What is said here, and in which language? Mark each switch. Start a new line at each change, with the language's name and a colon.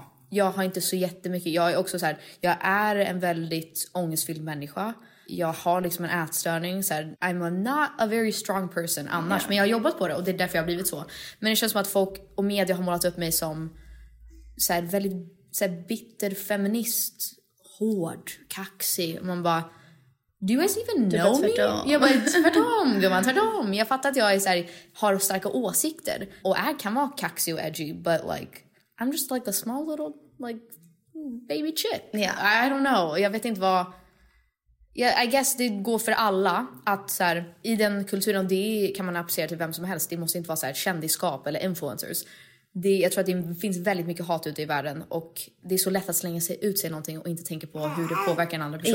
Swedish: Jag har inte så jättemycket, jag är också så här, jag är en väldigt ångestfylld människa. Jag har liksom en ätstörning. Så här,
English: I'm not a very strong person
Swedish: annars. Yeah. Men jag har jobbat på det och det är därför jag har blivit så. Men det känns som att folk och media har målat upp mig som så här, väldigt så här, bitter feminist. Hård, kaxig. Och man bara,
English: do you guys even know me?
Swedish: Jag bara, tvärtom, gumman, tvärtom. Jag fattar att jag är, så här, har starka åsikter. Och jag kan vara kaxig och edgy.
English: But like, I'm just like a small little like baby chick. Yeah. I don't know.
Swedish: Jag vet inte vad...
English: Yeah, I guess
Swedish: det går för alla att så här, i den kulturen, det kan man applicera till vem som helst. Det måste inte vara så här, kändiskap eller influencers. Det, jag tror att det finns väldigt mycket hat ute i världen. Och det är så lätt att slänga sig ut sig någonting och inte tänka på hur det påverkar en andra person.